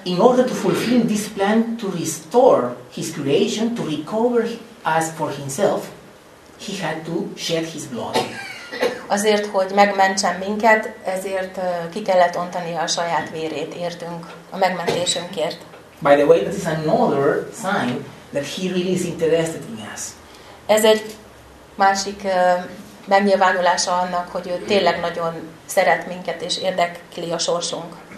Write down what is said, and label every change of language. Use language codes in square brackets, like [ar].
[en] In order to fulfill this plan to restore his creation, to recover us for himself, he had to shed his blood. [hu] Azért, hogy megmentsen minket, ezért ki kellett ontani a saját vérét, értünk, a megmentésünkért. [en] By the way, this is another sign that he really is interested in us. [hu] Ez egy másik megnyilvánulása annak, hogy ő tényleg nagyon szeret minket, és érdekli a sorsunk.